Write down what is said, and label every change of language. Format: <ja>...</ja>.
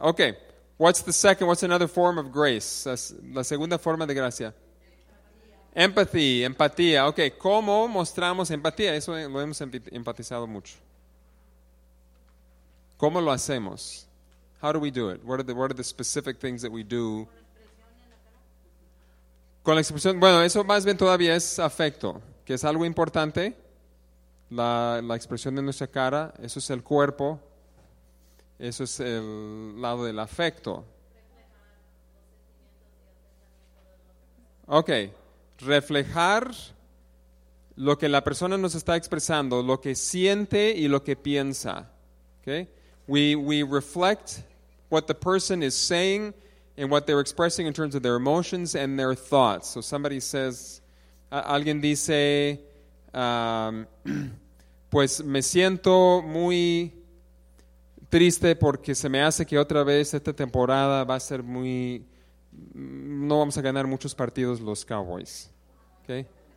<en>Okay, what's another form of grace?</en> <es>La segunda forma de gracia. Empatía. Okay, ¿cómo mostramos empatía? Eso lo hemos empatizado mucho. ¿Cómo lo hacemos?</es> <en>How do we do it? What are the specific things that we do?</en> <es>Con la expresión, bueno, eso más bien todavía es afecto, que es algo importante. La expresión de nuestra cara, eso es el cuerpo, eso es el lado del afecto. Okay, reflejar lo que la persona nos está expresando, lo que siente y lo que piensa.</es> <en>Okay, we reflect what the person is saying and what they're expressing in terms of their emotions and their thoughts. So somebody says,</en> <es>alguien dice, pues me siento muy triste porque se me hace que otra vez esta temporada va a ser muy, no vamos a ganar muchos partidos los Cowboys. Okay.</es>